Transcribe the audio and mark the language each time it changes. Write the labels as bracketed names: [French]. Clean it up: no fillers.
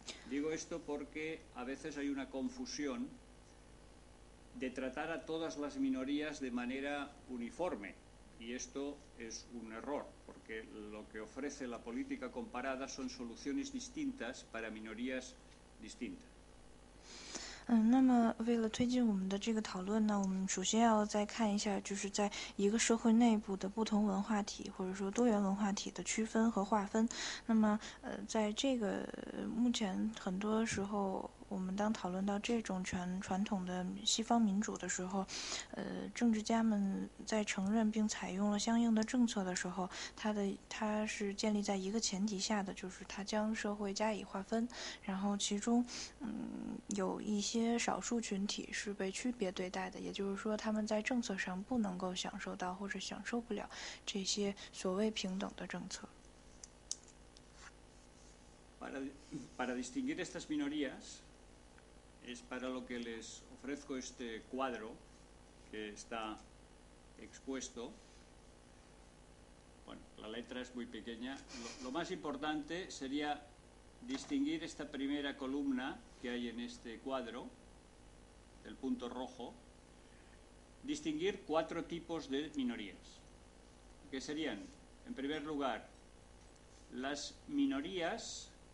[Spanish] Digo esto porque a veces hay una confusión de tratar a todas las minorías de manera uniforme, y esto es un error, porque lo que ofrece la política comparada son soluciones distintas para minorías distintas. [Chinese] 那么为了推进我们的这个讨论呢，我们首先要再看一下，就是在一个社会内部的不同文化体或者说多元文化体的区分和划分。那么在这个目前很多时候我们当讨论到这种传统的西方民主的时候，政治家们在承认并采用了相应的政策的时候，它是建立在一个前提下的，就是它将社会加以划分，然后其中有一些少数群体是被区别对待的，也就是说他们在政策上不能够享受到或者享受不了这些所谓平等的政策。 [Spanish] Para distinguir estas minorías, es para lo que les ofrezco este cuadro que está expuesto. Bueno, la letra es muy pequeña. Lo más importante sería distinguir esta primera columna que hay en este cuadro, el punto rojo, distinguir cuatro tipos de minorías, que serían, en primer lugar, las minorías